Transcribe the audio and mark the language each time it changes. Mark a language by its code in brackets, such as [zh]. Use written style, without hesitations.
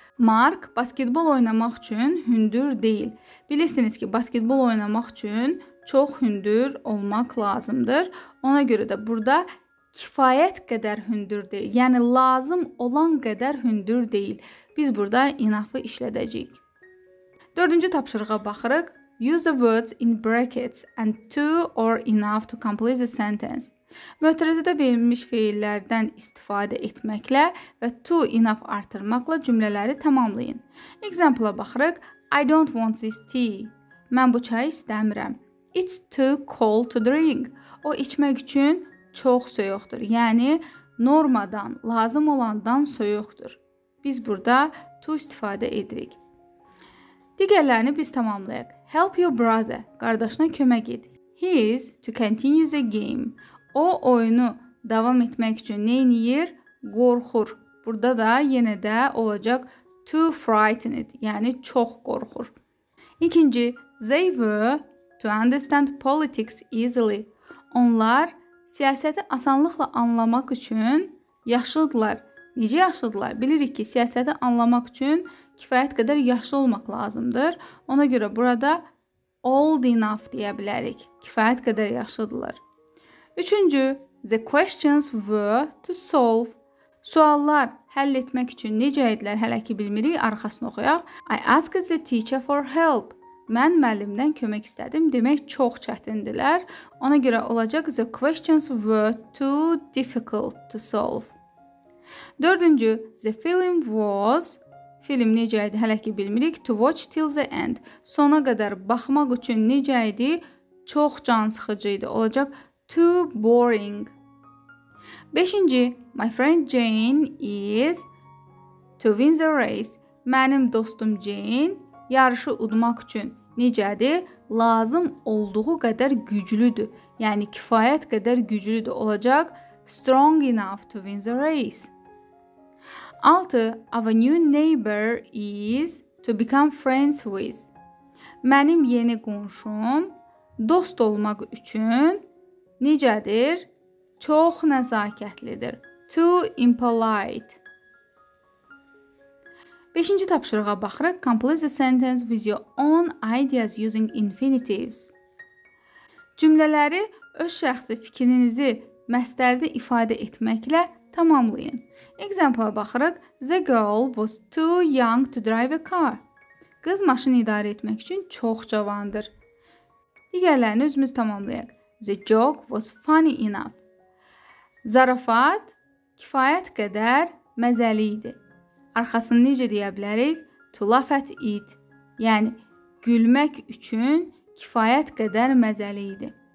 [az] Mark basketbol oynamaq üçün hündür deyil. Bilirsiniz ki, basketbol oynamaq üçün çox hündür olmaq lazımdır. Ona görə də burada kifayət qədər hündür deyil. Yəni, lazım olan qədər hündür deyil. Biz burada enough-ı işlədəcəyik. Dördüncü tapşırığa baxırıq. [en] Use the words in brackets and to or enough to complete the sentence. [az] Mötərizədə verilmiş feillərdən istifadə etməklə və to enough artırmaqla cümlələri tamamlayın. Example-a baxırıq. [en] I don't want this tea. [az] Mən bu çayı istəmirəm. [en] It's too cold to drink. [az] O içmək üçün çox soyuqdur. Yəni, normadan, lazım olandan soyuqdur. Biz burada to istifadə edirik. Digərlərini biz tamamlayaq. [en] Help your brother. [az] Qardaşına kömək ed. [en] He is to continue the game. [az] O oyunu davam etmək üçün nəyiniyir? Qorxur. Burada da yenə də olacaq [en] too frightened. [az] Yəni, çox qorxur. [en] İkinci, they were to understand politics easily. Onlar [az] siyasəti asanlıqla anlamaq üçün yaşıldılar. Necə yaşıldılar? Bilirik ki, siyasəti anlamaq üçün kifayət qədər yaşlı olmaq lazımdır. Ona görə burada [en] old enough [az] deyə bilərik. Kifayət qədər yaşlıdırlar. Üçüncü, [en] the questions were to solve. [az] Suallar həll etmək üçün necə edilər? Hələ ki bilmirik, arxasını oxuyaq. [en] I asked the teacher for help. [az] Mən müəllimdən kömək istədim. Demək, çox çətindilər. Ona görə olacaq, [en] the questions were too difficult to solve. [az] Dördüncü, [en] the film was... [az] Film necə idi? Hələ ki bilmirik. [en] To watch till the end. [az] Sona qədər baxmaq üçün necə idi? Çox can sıxıcı idi. Olacaq, [en] too boring. Beşinci, my friend Jane is to win the race. [az] Mənim dostum Jane yarışı udmaq üçün necədir? Lazım olduğu qədər güclüdür. Yəni, kifayət qədər güclüdür olacaq. [en] Strong enough to win the race. 6. Our new neighbor is to become friends with. [az] Mənim yeni qonşum dost olmaq üçün necədir? Çox nəzakətlidir. [en] Too impolite. [az] 5-ci tapşırığa baxırıq. [en] Complete the sentence with your own ideas using infinitives. [az] Cümlələri öz şəxsi fikrinizi məsdərdə ifadə etməklə tamamlayın. Example-a baxırıq. [en] The girl was too young to drive a car. [az] Qız maşını idarə etmək üçün çox cavandır. Digərlərini özümüz tamamlayaq. [en] The joke was funny enough. [az] Zarafat kifayət qədər məzəli idi. Arxasını necə deyə bilərik? [en] To laugh at it. [az] Yəni, gülmək üçün kifayət qədər məzəli idi.